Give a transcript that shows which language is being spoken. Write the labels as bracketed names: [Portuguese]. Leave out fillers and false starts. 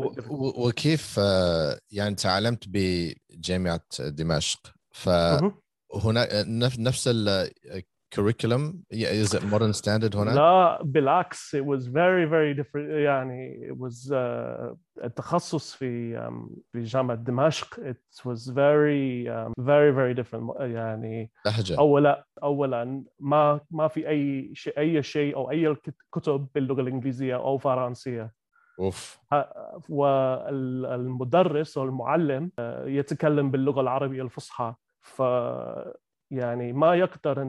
[Arabic] وكيف يعني تعلمت بجامعة دمشق فهنا نفس [English] curriculum is it modern standard [Arabic] هنا؟ لا بالعكس [English] it was very very different. يعني it was [Arabic] التخصص في جامعة دمشق [English] it was very very very different. [Arabic] يعني لهجة. أولا ما في أي شيء أو أي كتب باللغة الإنجليزية أو فرنسية. أوف. والمدرس أو المعلم يتكلم باللغة العربية الفصحى يعني ما يقدر